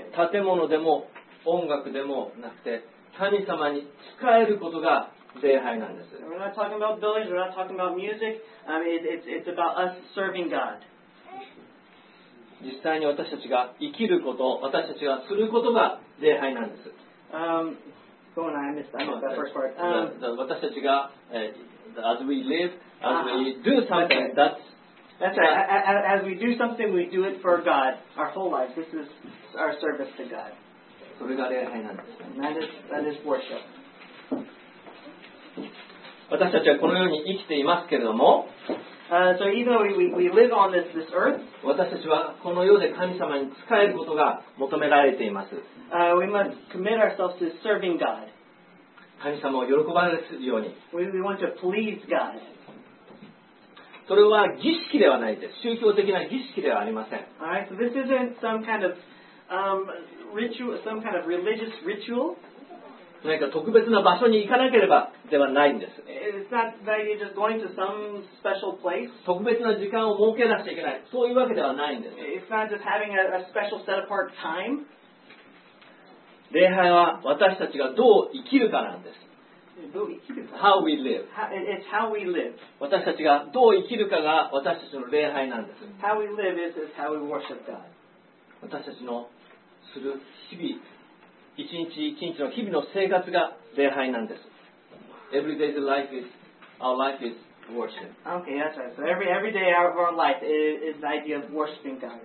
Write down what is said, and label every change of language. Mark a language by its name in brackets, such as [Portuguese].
[Japanese] 建物でも音楽でもなくて神様に使えることが礼拝なんです。 [English] We're not talking about buildings. We're not talking about music. I mean, it's about us serving God. [Japanese] 実際に私たちが生きること、私たちがすることが礼拝なんです。 [English] Go on, I missed that first part. [Japanese] 私たちが、 [English] as we live, as we do something, that's right. As we do something, we do it for God. Our whole life, this is our service to God. [Japanese] So それが礼拝なんです。 [English] That is worship. [Japanese] 私たちはこのように生きていますけれども、 [English] so even though we live on this earth, [Japanese] 私たちはこの世で神様に仕えることが求められています。 [English] We must commit ourselves to serving God. [Japanese] 神様を喜ばれるように。 [English] We want to please God. [Japanese] それは儀式ではないです。宗教的な儀式ではありません。 [English] Alright, so this isn't some kind of ritual, some kind of religious ritual. [Japanese] 何か特別な場所に行かなければではないんです。 [English] It's not that you're just going to some special place. [Japanese] 特別な時間を設けなくちゃいけない。そういうわけではないんです。 [English] It's not just having a special set apart time. [Japanese] 礼拝は私たちがどう生きるかなんです。 [English] How we live. It's how we live. [Japanese] 私たちがどう生きるかが私たちの礼拝なんです。 [English] How we live is how we worship God. [Japanese] 私たちのする日々、一日一日の日々の生活が礼拝なんです。 [English] Every day's life is our life is worship. Okay, that's right. So every day of our life is the idea of worshiping God.